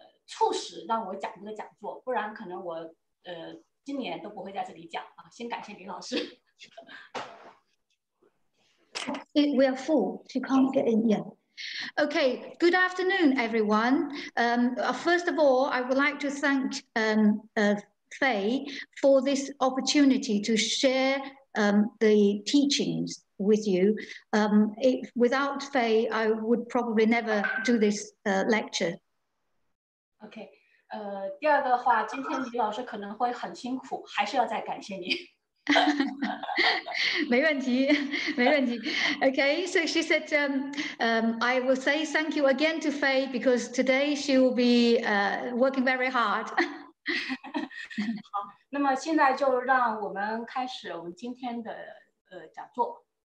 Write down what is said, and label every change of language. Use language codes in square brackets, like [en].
[zh] 促使让我讲这个讲座，不然可能我今年都不会在这里讲啊！先感谢李老师。We [en] are full. She can't get in yet. Okay. Good afternoon, everyone. First of all, I would like to thank Faye for this opportunity to share the teachings with you. Without Faye, I would probably never do this lecture. [zh] OK， 第二个话，今天李老师可能会很辛苦，还是要再感谢你。没问题，没问题。 [en] OK， so she said, I will say thank you again to Faye because today she will be working very hard. [zh] 好，那么现在就让我们开始我们今天的讲座。